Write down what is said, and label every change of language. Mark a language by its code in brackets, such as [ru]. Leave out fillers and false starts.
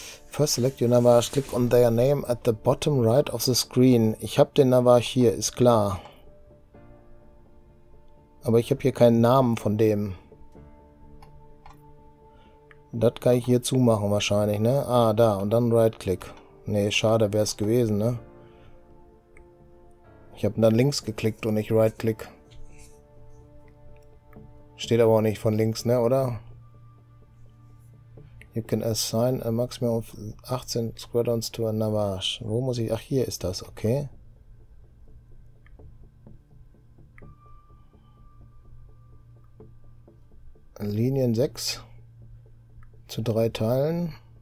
[en] First select your Navage, click on their name at the bottom right of the screen. [de] Ich habe den Navage hier, ist klar. Aber ich habe hier keinen Namen von dem. Das kann ich hier zumachen wahrscheinlich, ne? Ah, da, und dann right-click. Ne, schade wäre es gewesen, ne? Ich habe dann links geklickt und nicht right-click. Steht aber auch nicht von links, ne, oder? [en] You can assign a maximum of 18 squadrons to a Navage. [de] Wo muss ich? Ach, hier ist das, okay. Linien 6 zu 3 Teilen.